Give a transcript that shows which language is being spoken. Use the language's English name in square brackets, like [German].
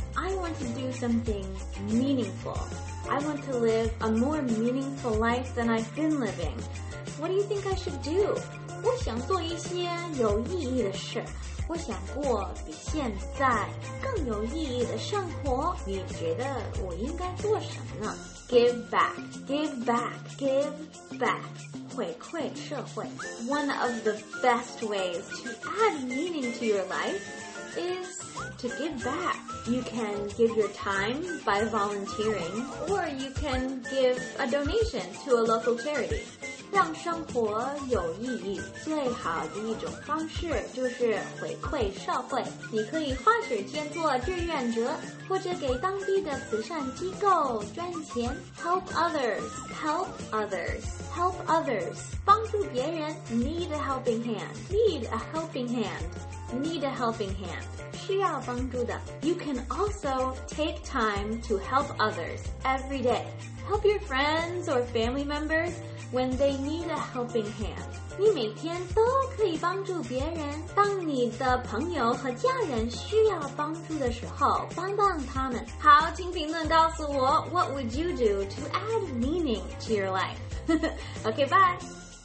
[English] I want to do something meaningfulI want to live a more meaningful life than I've been living. What do you think I should do? [Chinese] 我想做一些有意义的事。我想过比现在更有意义的生活。你觉得我应该做什么呢？ [English] Give back. Give back. Give back. [Chinese] 回馈社会。 [English] One of the best ways to add meaning to your life is to give back. You can give your time by volunteering, or you can give a donation to a local charity. [Chinese] 让生活有意义，最好的一种方式就是回馈社会。你可以花时间做志愿者，或者给当地的慈善机构捐钱。 [English] Help others, help others, help others. [Chinese] 帮助别人 [English] ,need a helping hand, need a helping hand, need a helping hand. [Chinese] 需要帮助的。 [English] You can also take time to help others every day. Help your friends or family members when they need a helping hand. [Chinese] 你每天都可以帮助别人。当你的朋友和家人需要帮助的时候，帮帮他们。好，请评论告诉我 [English] ,What would you do to add meaning to your life? okay, bye!